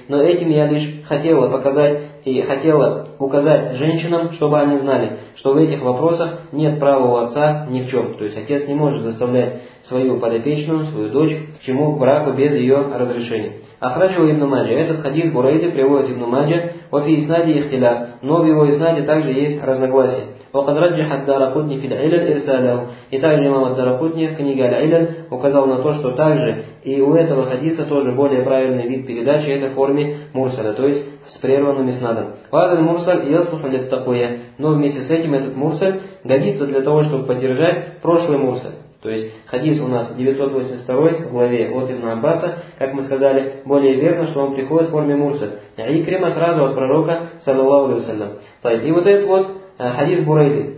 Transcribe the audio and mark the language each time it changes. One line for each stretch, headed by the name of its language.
Russian: Но этим я лишь хотела показать и хотела указать женщинам, чтобы они знали, что в этих вопросах нет права у отца ни в чем. То есть отец не может заставлять свою подопечную, свою дочь, к чему, к браку, без ее разрешения.
Arabic: Ахраджа ибн Маджа.
Russian: Этот хадис Бурайды приводит ибн Маджа во фи иснаде ихтиляф. Но в его иснаде также есть разногласия.
Arabic: وقد رجح الدارقطني في العلل إرساله.
Russian: И также имам ад-Дарқутни в книге «Аль-Илл» указал на то, что также и у этого хадиса тоже более правильный вид передачи это в форме мурсаля, то есть с прерванным иснадом.
Arabic: وهذا المرسل يصلح للتقوية.
Russian: Но вместе с этим этот мурсаль годится для того, чтобы поддержать прошлый мурсаль. То есть хадис у нас 982 в главе от ибн Аббаса, как мы сказали, более верно, что он приходит в форме мурсаль. Икрима сразу от пророка, саллаллаху алейхи ва саллям. И вот этот вот хадис Бурайды.